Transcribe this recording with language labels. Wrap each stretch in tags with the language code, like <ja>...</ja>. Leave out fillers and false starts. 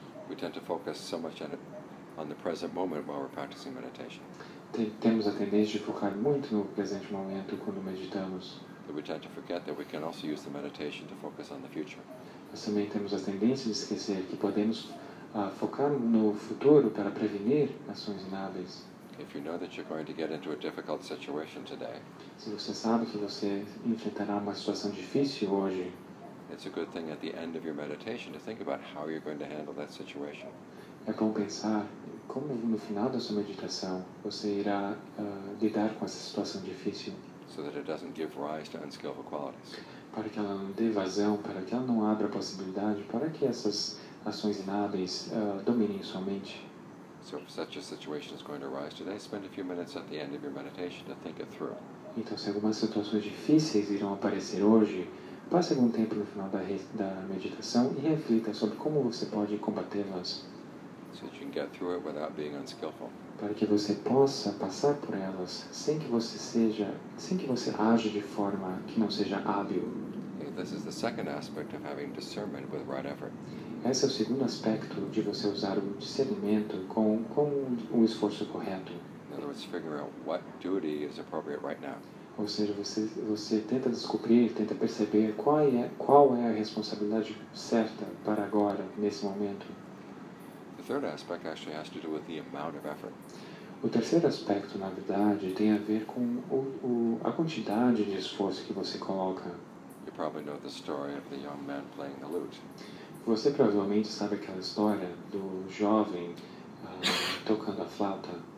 <en>We tend to focus so much on the present moment while we're practicing meditation.</en> <pt>Temos a tendência de focar muito no presente momento quando meditamos.</pt> <en>That we tend to forget that we can also use the meditation to focus on the future.</en> <pt>Nós também temos a tendência de esquecer que podemos focar no futuro para prevenir ações inábeis.</pt> <en>If you know that you're going to get into a difficult situation today,</en> <pt>se você sabe que você enfrentará uma situação difícil hoje,</pt> <en>it's a good thing at the end of your meditation to think about how you're going to handle that situation.</en> <pt>É bom pensar como no final da sua meditação você irá lidar com essa situação difícil.</pt> <en>So that it doesn't give rise to unskillful qualities.</en> <pt>Para que ela não dê vazão, para que ela não abra possibilidade, para que essas ações inábeis dominem sua mente.</pt> <en>So if such a situation is going to arise today, spend a few minutes at the end of your meditation to think it through.</en> <pt>Então, se algumas situações difíceis irão aparecer hoje, passe algum tempo no final da meditação e reflita sobre como você pode combatê-las.</pt> <en>So that you can get through it without being unskillful.</en> <pt>Para que você possa passar por elas sem que você seja, sem que você aja de forma que não seja hábil.</pt> <en>Okay, this is the second aspect of having discernment with right effort.</en> <pt>Esse é o segundo aspecto de você usar o discernimento com o esforço correto.</pt> <en>In other words, figuring out what duty is appropriate right now.</en> <pt>Ou seja, você tenta descobrir, tenta perceber qual é a responsabilidade certa para agora, nesse momento.</pt> <en>The third aspect actually has to do with the amount of effort.</en> <pt>O terceiro aspecto, na verdade, tem a ver com a quantidade de esforço que você coloca.</pt> <en>You probably know the story of the young man playing the lute.</en> <pt>Você provavelmente sabe aquela história do jovem tocando a flauta.</pt>